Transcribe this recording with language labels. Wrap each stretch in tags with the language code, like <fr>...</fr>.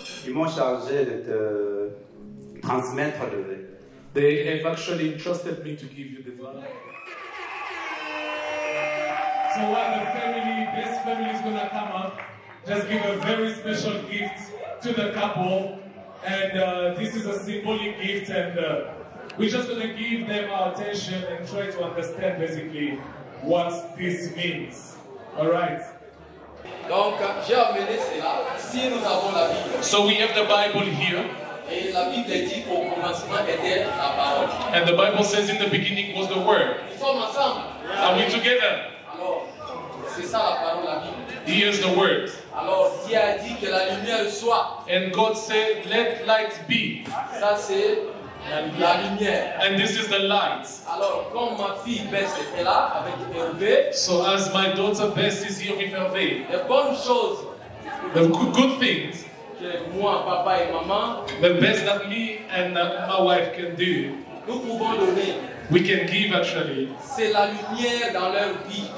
<fr>Ils m'ont chargé de te transmettre le vœu.</fr> <en>They have actually entrusted me to give you the vow. So while the family, this family is going to come up, just give a very special gift to the couple. And this is a symbolic gift, and we're just going to give them our attention and try to understand basically what this means. All right.</en> <fr>Donc, j'ai amené cela. Si nous avons la Bible.</fr> <en>So we have the Bible here.</en> <fr>Et la Bible dit qu'au commencement était la parole.</fr> <en>And the Bible says in the beginning was the word.</en> <fr>Nous sommes ensemble.</fr> <en>Are we together?</en> <fr>Alors, c'est ça la parole, la Bible.</fr> <en>Here's the word.</en> <fr>Alors Dieu a dit que la lumière soit.</fr> <en>And God said, let light be.</en> <fr>Ça c'est la lumière.</fr> <en>And this is the light.</en> <fr>Alors comme ma fille Bess est là avec Hervé.</fr> <en>So as my daughter Bess is here with Hervé.</en> <fr>Les bonnes choses.</fr> <en>The good things.</en> <fr>Que moi, papa et maman.</fr> <en>The best that me and my wife can do.</en> <fr>Nous pouvons donner.</fr> <en>We can give actually.</en> <fr>C'est la lumière dans leur vie.</fr>